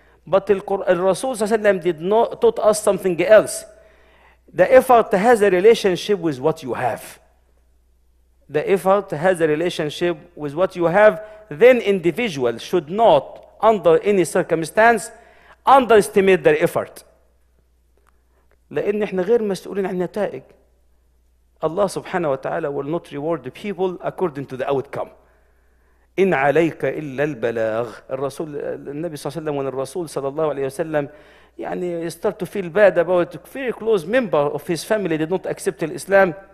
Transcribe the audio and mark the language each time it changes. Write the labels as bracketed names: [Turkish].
[English] But the Rasul صلى الله عليه وسلم did not taught us something else. The effort has a relationship with what you have. The effort has a relationship with what you have. Then individuals should not, under any circumstance, underestimate their effort. [Arabic] لأن إحنا غير مسؤولين عن نتائج. [English] Allah subhanahu wa ta'ala will not reward the people according to the outcome. [Arabic] إن عليك إلا البلاغ. الرسول النبي صلى الله عليه وسلم [English] when [Arabic] الرسول صلى الله عليه وسلم يعني [English] start to feel bad about very close member of his family did not accept Islam.